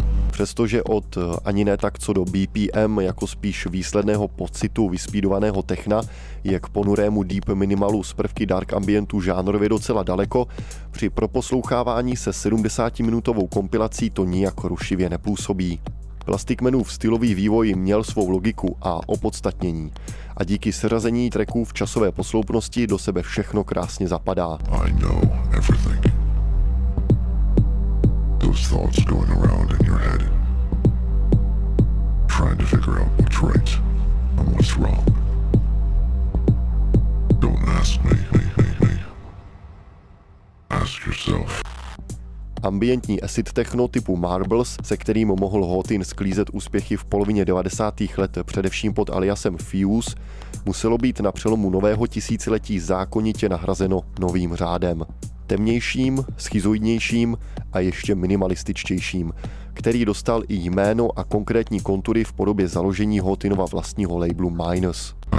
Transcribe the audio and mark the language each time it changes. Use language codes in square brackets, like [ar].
[cs] Přestože od ani ne tak co do BPM, jako spíš výsledného pocitu vyspeedovaného techna, je k ponurému deep minimalu z prvky dark ambientu žánrově docela daleko, při proposlouchávání se 70-minutovou kompilací to nijak rušivě nepůsobí. Plastikmanův stylový vývoj měl svou logiku a opodstatnění a díky seřazení tracků v časové posloupnosti do sebe všechno krásně zapadá. [en] I know everything. Those thoughts going around in your head, trying to figure out what's right and what's wrong. Don't ask me, ask yourself. [cs] Ambientní acid techno typu Marbles, se kterým mohl Hawtin sklízet úspěchy v polovině 90. let především pod aliasem Fuse, muselo být na přelomu nového tisíciletí zákonitě nahrazeno novým řádem. Temnějším, schizoidnějším a ještě minimalističtějším, který dostal i jméno a konkrétní kontury v podobě založení Hawtinova vlastního labelu Minus.